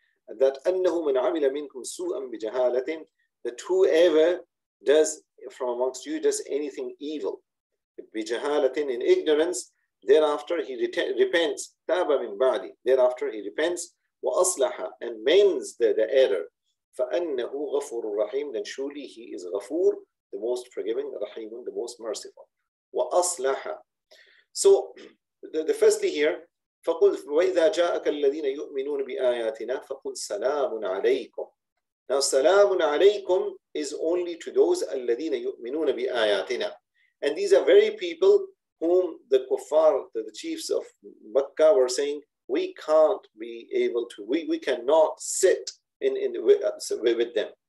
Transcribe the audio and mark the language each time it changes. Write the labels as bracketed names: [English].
[English] And that [Arabic] أَنَّهُ مَنْ عَمِلَ مِنْكُمْ سُوءًا بِجَهَالَةٍ, [English] that whoever does from amongst you does anything evil, [Arabic] بِجَهَالَةٍ, [English] in ignorance, thereafter he repents, [Arabic] تَابَ مِنْ بَعْدِ, [English] thereafter he repents, [Arabic] وَأَصْلَحَ, [English] and mends the error, [Arabic] فَأَنَّهُ غَفُورٌ رَحِيمٌ, [English] then surely he is غَفُور, the most forgiving, رَحِيمٌ, the most merciful, وَأَصْلَحَ. So, the firstly here, [Arabic] فَقُلْ وَإِذَا جَاءَكَ الَّذِينَ يُؤْمِنُونَ بِآيَاتِنَا فَقُلْ سَلَامٌ عَلَيْكُمْ. [English] Now, [Arabic] سَلَامٌ عَلَيْكُمْ [English] is only to those [Arabic] الَّذِينَ يُؤْمِنُونَ بِآيَاتِنَا. [English] And these are very people whom the kuffar, the chiefs of Mecca, were saying, we can't be able to, we cannot sit with them.